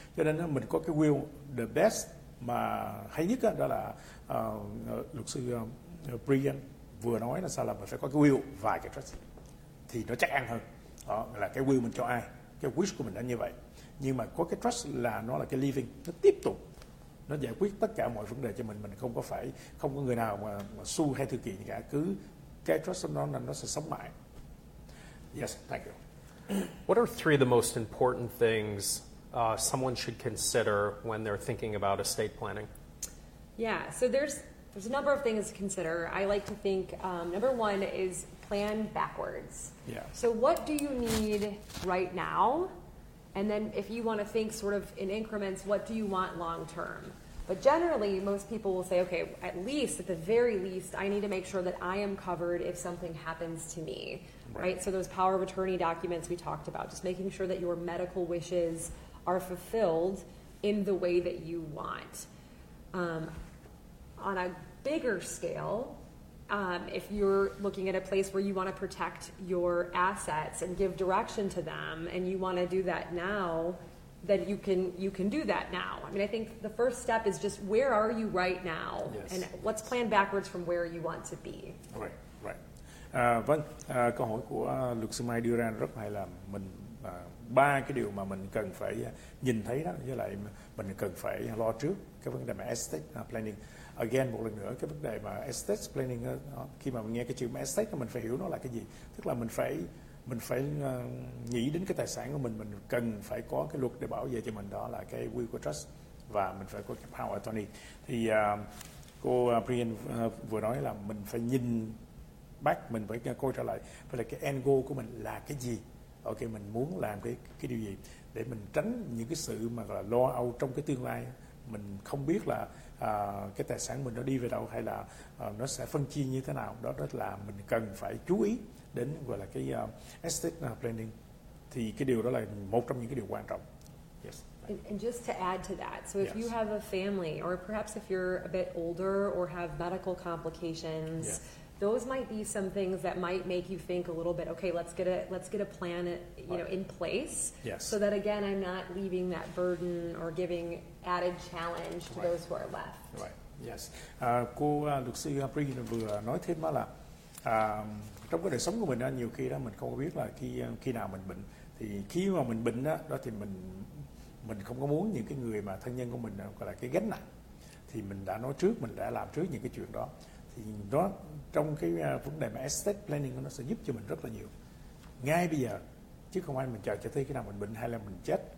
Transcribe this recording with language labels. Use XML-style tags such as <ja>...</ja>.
<vi>Cho nên mình có cái will</vi> <en>the best</en> <vi>mà hay nhất đó là luật sư Brian vừa nói là sao, là mình phải có cái will và cái trust thì nó chắc ăn hơn. Đó là cái will mình cho ai, cái wish của mình đã như vậy. Nhưng mà có cái trust là nó là cái living, nó tiếp tục, nó giải quyết tất cả mọi vấn đề cho mình. Mình không có phải, không có người nào mà su hay thư kiện cả. Cứ cái trust nó sẽ sống mãi.</vi> <en>Yes, thank you. What are three of the most important things someone should consider when they're thinking about estate planning? Yeah, so there's a number of things to consider. I like to think, number one is plan backwards. Yeah. So what do you need right now? And then if you want to think sort of in increments, what do you want long term? But generally, most people will say, okay, at least, at the very least, I need to make sure that I am covered if something happens to me, right? So those power of attorney documents we talked about, just making sure that your medical wishes are fulfilled in the way that you want. On a bigger scale, if you're looking at a place where you want to protect your assets and give direction to them, and you want to do that now, then you can do that now. I mean, I think the first step is just where are you right now, yes. And let's plan backwards from where you want to be. Right.</en> <vi>Vâng, câu hỏi của luật sư Mai đưa ra rất hay là mình ba cái điều mà mình cần phải nhìn thấy đó, với lại mình cần phải lo trước cái vấn đề mà estate planning. Again, một lần nữa, cái vấn đề mà estate planning, khi mà mình nghe cái chữ estate, mình phải hiểu nó là cái gì. Tức là mình phải nghĩ đến cái tài sản của mình cần phải có cái luật để bảo vệ cho mình, đó là cái will của trust, và mình phải có cái power of attorney. Thì cô Brian vừa nói là mình phải nhìn back, mình phải coi trở lại, và là cái end goal của mình là cái gì. Ok, mình muốn làm cái điều gì để mình tránh những cái sự mà gọi là lo âu trong cái tương lai. Mình không biết là cái tài sản mình nó đi về đâu, hay là nó sẽ phân chia như thế nào. Đó là mình cần phải chú ý đến gọi là cái estate planning. Thì cái điều đó là một trong những cái điều quan trọng.</vi> <en>Yes. And just to add to that, so if yes. you have a family, or perhaps if you're a bit older or have medical complications, yes. those might be some things that might make you think a little bit, okay, let's get a plan, you know, in place. Yes. So that, again, I'm not leaving that burden or giving added challenge to right. those who are left. Right. Yes.</en> <vi>Cô luật sư Brian vừa nói thêm là trong cái đời sống của mình nhiều khi đó mình không biết là khi nào mình bệnh. Thì khi mà mình bệnh đó thì mình không có muốn những cái người mà thân nhân của mình gọi là cái gánh nặng. Thì mình đã nói trước, mình đã làm trước những cái chuyện đó. Thì đó, trong cái vấn đề mà estate planning nó sẽ giúp cho mình rất là nhiều ngay bây giờ, chứ không ai mình chờ cho tới khi nào mình bệnh hay là mình chết.</vi>